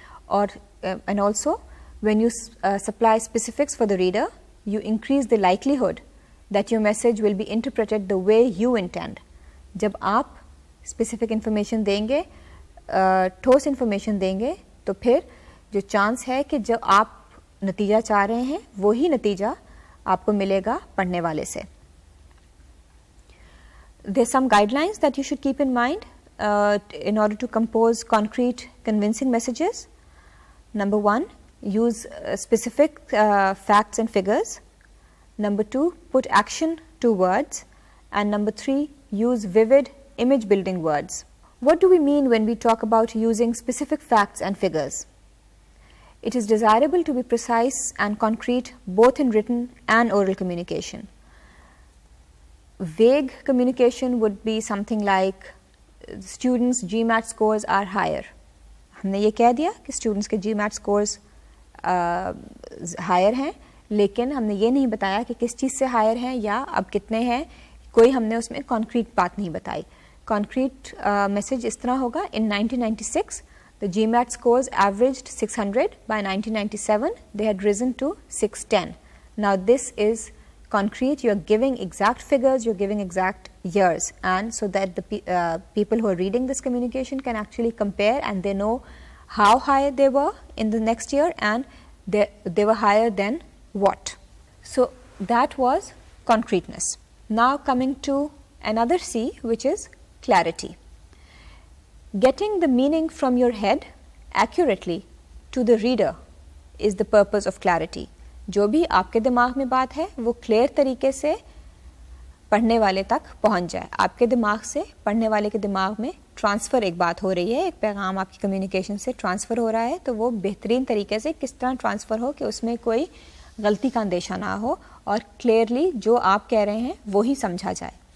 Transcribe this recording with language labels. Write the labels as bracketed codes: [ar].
[en] और and also when you supply specifics for the reader, you increase the likelihood that your message will be interpreted the way you intend. [hi] जब आप specific information देंगे, ठोस information देंगे, तो फिर जो चांस है कि जो आप नतीजा चाह रहे हैं वही नतीजा आपको मिलेगा पढ़ने वाले से. [en] There are some guidelines that you should keep in mind in order to compose concrete, convincing messages. Number one, use specific facts and figures. Number two, put action to words. And number three, use vivid image-building words. What do we mean when we talk about using specific facts and figures? It is desirable to be precise and concrete both in written and oral communication. Vague communication would be something like students' GMAT scores are higher. [hi] हमने ये कह दिया कि students के GMAT scores higher हैं, लेकिन हमने ये नहीं बताया कि किस चीज़ से higher हैं या अब कितने हैं, कोई हमने उसमें concrete बात नहीं बताई. [en] Concrete message [hi] इस तरह होगा, [en] in 1996 the GMAT scores averaged 600, by 1997 they had risen to 610. Now this is concrete, you are giving exact figures, you are giving exact years, and so that the people who are reading this communication can actually compare and they know how high they were in the next year and they were higher than what. So that was concreteness. Now coming to another C, which is clarity. Getting the meaning from your head accurately to the reader is the purpose of clarity. [hi] जो भी आपके दिमाग में बात है वो clear तरीके से पढ़ने वाले तक पहुंच जाए, आपके दिमाग से पढ़ने वाले के दिमाग में ट्रांसफ़र एक बात हो रही है, एक पैगाम आपकी कम्युनिकेशन से ट्रांसफ़र हो रहा है, तो वो बेहतरीन तरीके से किस तरह ट्रांसफ़र हो कि उसमें कोई गलती का अंदेशा ना हो और क्लियरली जो आप कह रहे हैं वो ही समझा जाए.